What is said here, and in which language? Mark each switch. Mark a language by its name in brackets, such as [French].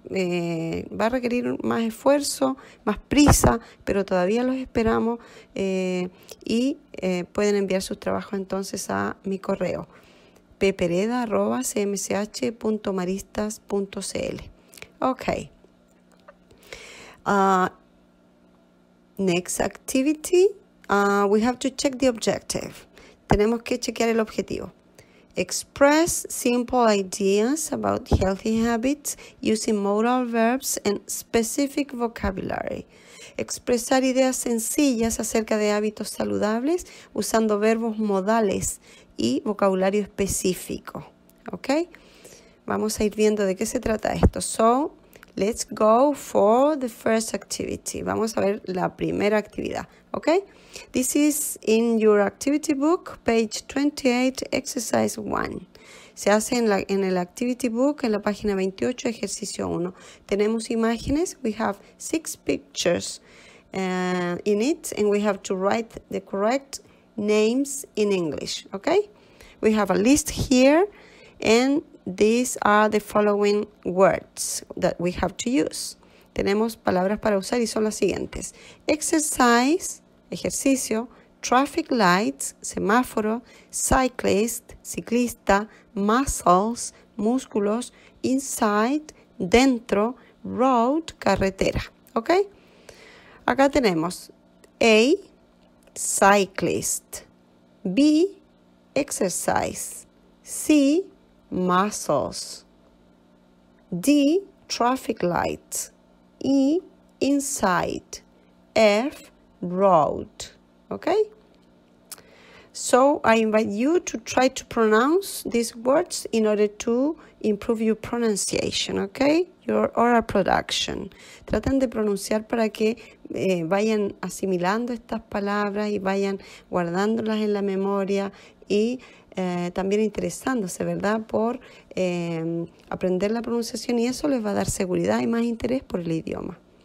[Spanish] Va a requerir más esfuerzo, más prisa, pero todavía los esperamos y pueden enviar sus trabajos entonces a mi correo pepereda@cmsh.maristas.cl. [English] Okay. Next activity, we have to check the objective. [Spanish] Tenemos que chequear el objetivo. [English] Express simple ideas about healthy habits using modal verbs and specific vocabulary. [Spanish] Expresar ideas sencillas acerca de hábitos saludables usando verbos modales y vocabulario específico. ¿Ok? Vamos a ir viendo de qué se trata esto. [English] So, let's go for the first activity. [Spanish] Vamos a ver la primera actividad. ¿Ok? [English] This is in your activity book, page 28, exercise 1. [Spanish] Se hace en el activity book, en la página 28, ejercicio 1. Tenemos imágenes. [English] We have 6 pictures in it, and we have to write the correct names in English. ¿Ok? We have a list here, and these are the following words that we have to use. [Spanish] Tenemos palabras para usar y son las siguientes. [English] Exercise, ejercicio, traffic lights, semáforo, cyclist, ciclista, muscles, músculos, inside, dentro, road, carretera. ¿Ok? Acá tenemos A, cyclist, B, exercise, C, muscles, D, traffic lights, E, inside, F, road. Okay? So I invite you to try to pronounce these words in order to improve your pronunciation, okay? Your oral production. [Spanish] Traten de pronunciar para que vayan asimilando estas palabras y vayan guardándolas en la memoria y también interesándose, ¿verdad? Por aprender la pronunciación y eso les va a dar seguridad y más interés por el idioma.